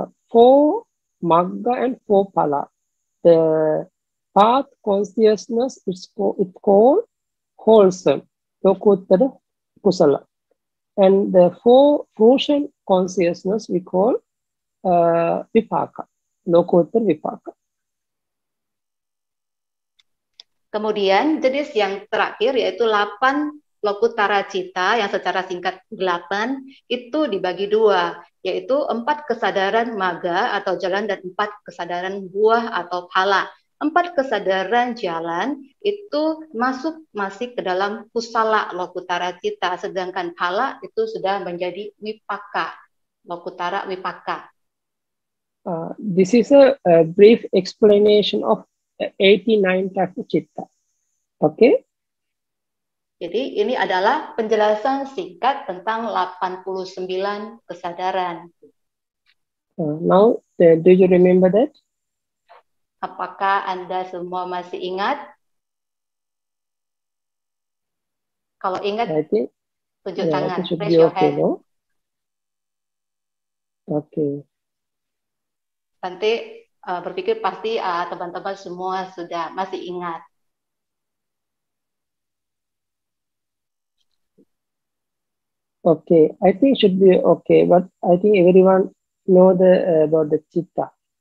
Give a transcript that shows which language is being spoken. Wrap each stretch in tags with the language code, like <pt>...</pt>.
<en>Four magga and four pala. The path consciousness is called wholesome lokuttara kusala, and the four fruition consciousness we call vipaka lokuttara vipaka.</en> <id>Kemudian jenis yang terakhir yaitu 8 lokuttara citta yang secara singkat 8 itu dibagi dua, yaitu 4 kesadaran maga atau jalan dan 4 kesadaran buah atau pala. 4 kesadaran jalan itu masuk masih ke dalam kusala lokuttara citta, sedangkan pala itu sudah menjadi vipaka, lokuttara vipaka.</id> <en>This is a brief explanation of 89 types of citta. Okay.</en> <id>Jadi ini adalah penjelasan singkat tentang 89 kesadaran.</id> <en>Now, do you remember that?</en> <id>Apakah Anda semua masih ingat? Kalau ingat, tunjuk tangan.</id> <en>It should be okay, no? Okay.</en> <id>Nanti berpikir pasti teman-teman semua sudah masih ingat.</id> <en>Okay, I think it should be okay, but I think everyone know the about the citta.</en>